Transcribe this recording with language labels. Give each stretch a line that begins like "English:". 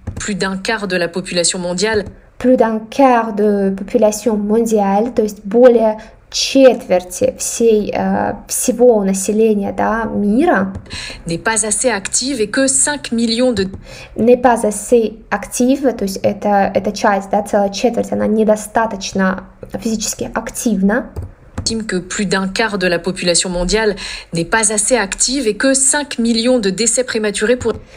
French: plus d'un quart de la population mondiale. Plus d'un quart de population mondiale,
Russian: то есть более четверти всей, всего населения, да, мира,
French: n'est pas assez active et que 5 millions de... n'est pas assez active,
Russian: то есть эта часть, да, целая четверть, она недостаточно физически активна.
French: Estime que plus d'un quart de la population mondiale n'est pas assez active et que 5 millions de décès prématurés pour...